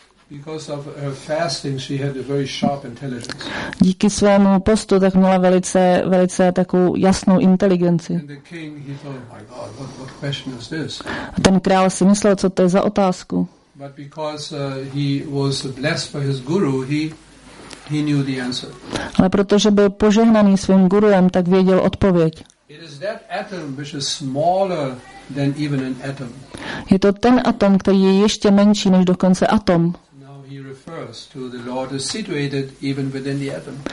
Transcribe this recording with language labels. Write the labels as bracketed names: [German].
[English] Because of her fasting, she had a very sharp intelligence. [Czech] Díky svému postu tak měla velice, velice takovou jasnou inteligenci. [English] And the king, he thought, my God, what question is this? [Czech] A ten král si myslel, co to je za otázku? [English] But because he was blessed by his guru, he knew the answer. [Czech] Ale protože byl požehnaný svým guruem, tak věděl odpověď. [English] It is that atom which is smaller than even an atom. [Czech] Je to ten atom, který je ještě menší než dokonce atom. [English] Now he refers to the Lord is situated even within the atom.